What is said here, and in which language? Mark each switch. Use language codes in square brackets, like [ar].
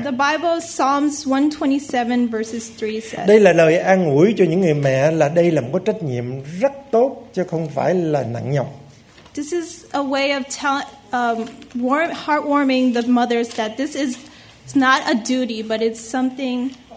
[en] The Bible Psalms 127 verses 3 says. [vi] Đây là lời an ủi cho những người mẹ là đây là một cái trách nhiệm rất tốt chứ không phải là nặng nhọc. [en] This is a way of telling heartwarming the mothers that this is not a duty but it's something